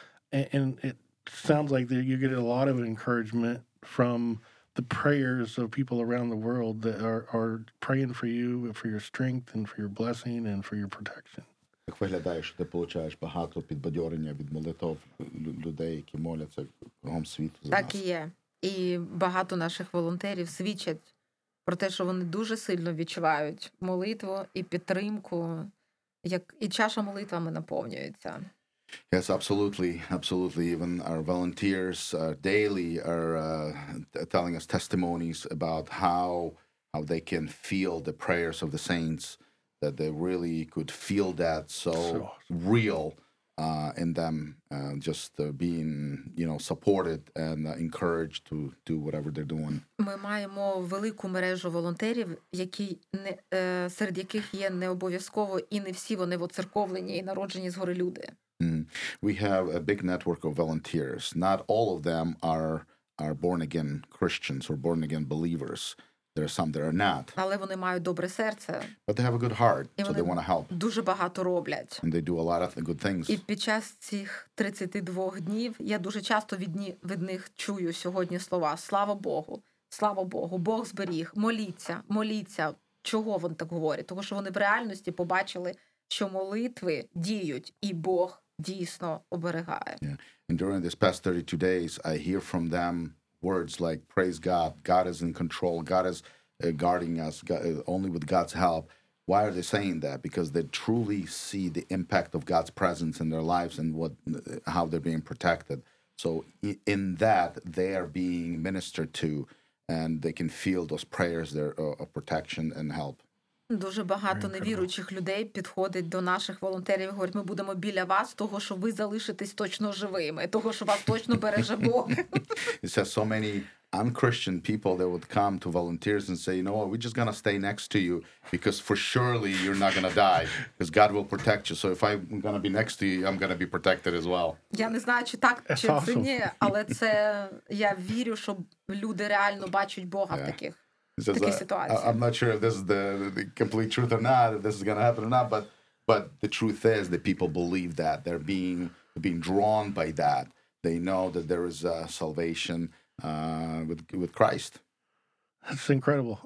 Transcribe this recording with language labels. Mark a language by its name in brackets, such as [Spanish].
[English] And it sounds like you get a lot of encouragement from the prayers of people around the world that are praying for you, for your strength, and for your blessing, and for your protection. [Ukrainian] Як виглядає, що ти получаєш багато підбадьорення від молитв людей, які моляться кругом світу за нас? Так і є. І багато наших волонтерів свідчать про те, що вони дуже сильно відчувають молитву і підтримку, як і чаша молитвами наповнюється. [English] Yes, absolutely, absolutely. Even our volunteers daily are telling us testimonies about how they can feel the prayers of the saints, that they really could feel that so awesome. Real in them, just being, you know, supported and encouraged to do whatever they're doing. [Ukrainian] Ми маємо велику мережу волонтерів, які не серед яких є не обов'язково і не всі вони воцерковлені і народжені згори люди. [English] We have a big network of volunteers. Not all of them are born again Christians or born again believers. There are some that are not. [Ukrainian] Але вони мають добре серце. [English] But they have a good heart, so they want to help. [Ukrainian] Дуже багато роблять. [English] And they do a lot of good things. [Ukrainian] І під час цих 32 днів я дуже часто від них чую сьогодні слова: слава Богу, Бог зберіг, моліться. Чого вони так говорять? Тому що вони в реальності побачили, що молитви діють, і Бог дійсно оберігає. [English] Yeah. And during these past 32 days, I hear from them words like, praise God, God is in control, God is guarding us, only with God's help. Why are they saying that? Because they truly see the impact of God's presence in their lives and how they're being protected. So in that, they are being ministered to, and they can feel those prayers there of protection and help. [Ukrainian] Дуже багато невіруючих людей підходить до наших волонтерів і говорить, ми будемо біля вас, того, що ви залишитесь точно живими, того, що вас точно береже Бог. [English] It says so many un-Christian people that would come to volunteers and say, you know what, we're just going to stay next to you because for surely you're not going to die because God will protect you. So if I'm going to be next to you, I'm going to be protected as well. [Ukrainian] Я не знаю, чи так, чи [English] awesome. [Ukrainian] Це ні, але це, я вірю, що люди реально бачать Бога в таких. [English] I'm not sure if this is the complete truth or not, if this is going to happen or not, but the truth is that people believe that. They're being drawn by that. They know that there is a salvation with Christ. That's incredible.